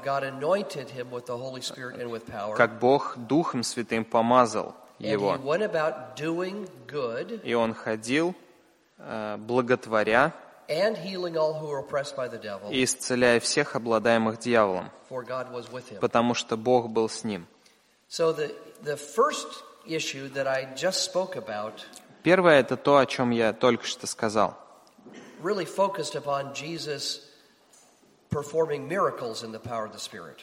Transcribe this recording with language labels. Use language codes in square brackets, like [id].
[en] How God anointed him with the Holy Spirit and with power. [ru] Как Бог Духом Святым помазал его. [en] And he went about doing good. [ru] И он ходил благотворя. [en] And healing all who are oppressed by the devil. [ru] И исцеляя всех обладаемых дьяволом. [en] For God was with him. [ru] Потому что Бог был с ним. [en] So the first issue that I just spoke about. [ru] Первое это то, о чем я только что сказал. [en] Really focused upon Jesus performing miracles in the power of the Spirit.